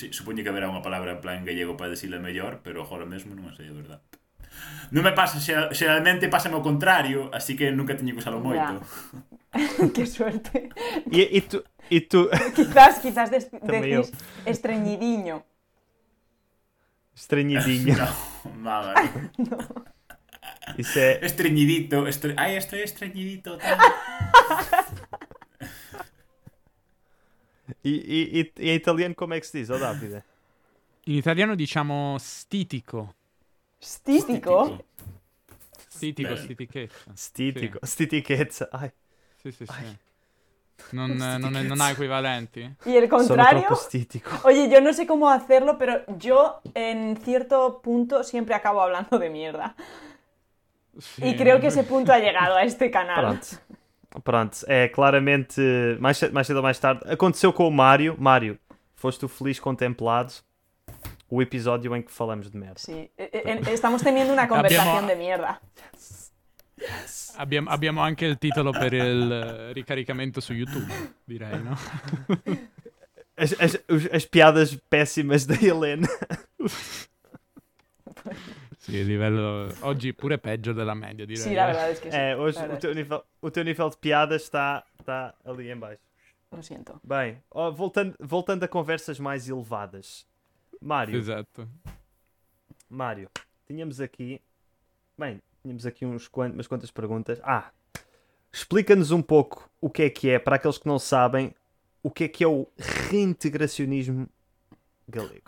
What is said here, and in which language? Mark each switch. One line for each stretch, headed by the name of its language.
Galician: Supoño que haberá unha palabra, plan, galego para decirle mellor, pero agora mesmo non sei, de verdade. Non me pasa, xeralmente pásame o contrario, así que nunca teño que usalo moito.
Spanish: Que suerte.
Galician: E tú?
Spanish: Quizás decís estreñidiño. Estreñidiño. Mamá. No. Dice... Estreñidito. Ay, estoy estreñidito. ¿Y en italiano cómo se dice, Davide?
Italian: En italiano diciamo stitico. Stitico? Stitico, stitichezza. Stitico, sì. Stitichezza. Ay. Sì, sì, sì. Non ha equivalenti.
Spanish: ¿Y el contrario?
Italian: Sono troppo stitico.
Spanish: Oye, yo no sé cómo hacerlo, pero yo en cierto punto siempre acabo hablando de mierda.
Portuguese: Sim. E creio que esse ponto ha chegado a este canal. Pronto. Pronto, é claramente mais cedo ou mais tarde. Aconteceu com o Mário. Mário, foste o feliz contemplado. O episódio em que falamos de merda. Sim, estamos tendo uma conversação de merda.
English: Yes.
Italian: Abbiamo anche il titolo per il ricaricamento su YouTube, direi, no?
Portuguese: As piadas péssimas da Helena.
Italian: Sì, a livello... Oggi pure peggio della media, direi. Sì, la verità è che sì. Oggi il tuo livello di piada sta lì in basso. Lo sento.
Portuguese: Bene, voltando a conversas mais elevadas. Mário. Exato. Mário, tínhamos aqui... Bem... Tínhamos aqui umas quantas perguntas. Ah, explica-nos um pouco o que é, para aqueles que não sabem, o que é o reintegracionismo galego.